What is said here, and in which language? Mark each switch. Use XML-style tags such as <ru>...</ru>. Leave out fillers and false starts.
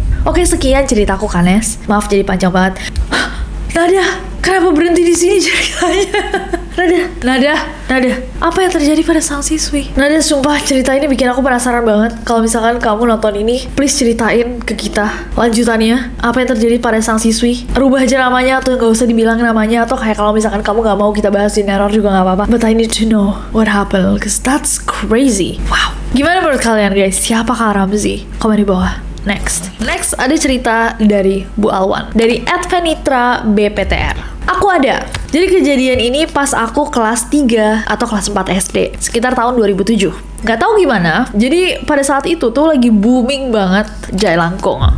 <id>Oke, sekian ceritaku Kanes. Maaf jadi panjang banget. Nadia, kenapa berhenti di sini ceritanya? Nadia, apa yang terjadi pada sang siswi? Nadia, sumpah cerita ini bikin aku penasaran banget. Kalau misalkan kamu nonton ini, please ceritain ke kita lanjutannya. Apa yang terjadi pada sang siswi? Rubah aja namanya atau gak usah dibilang namanya. Atau kayak kalau misalkan kamu gak mau kita bahas di Neror juga gak apa-apa.</id> <en>But I need to know what happened, because that's crazy.</en> <id>Wow. Gimana menurut kalian guys? Siapa Kak Ramzi? Komen di bawah. Next ada cerita dari Bu Alwan, dari Advenitra BPTR. Aku ada. Jadi kejadian ini pas aku kelas 3 atau kelas 4 SD, sekitar tahun 2007. Gak tahu gimana, jadi pada saat itu tuh lagi booming banget Jailangkung.</id>